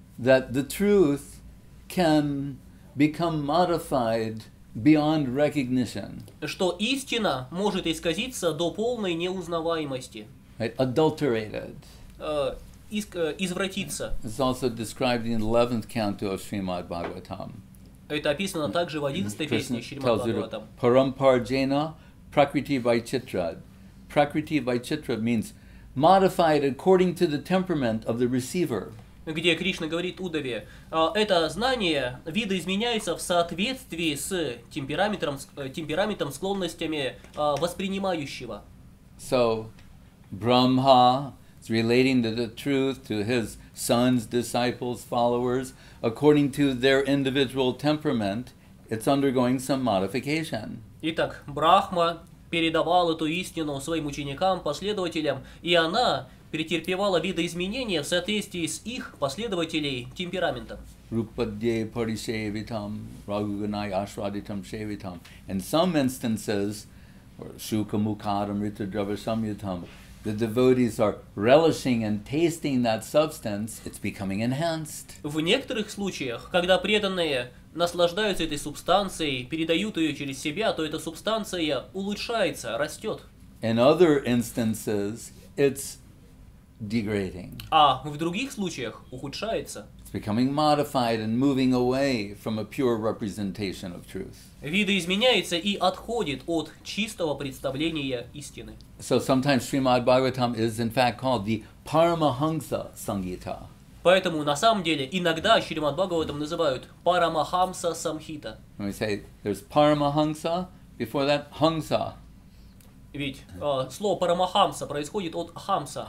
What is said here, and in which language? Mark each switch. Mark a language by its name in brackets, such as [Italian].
[English] That the truth can become modified beyond recognition. [Russian] Что истина может исказиться до полной неузнаваемости. [English] Right? Adulterated. [Russian] Извратиться. [English] It's also described in the 11th canto of Srimad Bhagavatam. [Russian] Это описано также в 11-й песне Шримад Бхагаватам. [English] Krishna tells you, [Sanskrit] parampar-jena, prakriti-vaichitrad. [English] Prakriti-vaichitrad means modified according to the temperament of the receiver. [Russian] Где Кришна говорит Удаве, это знание видоизменяется в соответствии с темпераментом, склонностями воспринимающего. [English] So, Brahma, it's relating to the truth to his sons, disciples, followers, according to their individual temperament, it's undergoing some modification. [Russian] Итак, Брахма передавал эту истину своим ученикам, последователям, и она претерпевала видоизменения в соответствии с их последователей темпераментом. [Sanskrit] Rupadye parisevitam, ragunai ashraditam sevitam. [English] In some instances, [Sanskrit] shukamukaram ritadravasamyutam, [English] the devotees are relishing and tasting that substance, it's becoming enhanced. [Russian] В некоторых случаях, когда преданные наслаждаются этой субстанцией, передают ее через себя, то эта субстанция улучшается, растет. [English] In other instances, it's degrading. [Russian] А в других случаях ухудшается. [English] It's becoming modified and moving away from a pure representation of truth. [Russian] Видоизменяется и отходит от чистого представления истины. [English] So sometimes Srimad Bhagavatam is in fact called the Paramahansa Sangita. [Russian] Поэтому на самом деле иногда Шримад Бхагаватам называют Парамахамса Самхита. [English] And we say there's Paramahamsa before that Hamsa. [Russian] Ведь слово Парамахамса происходит от Хамса.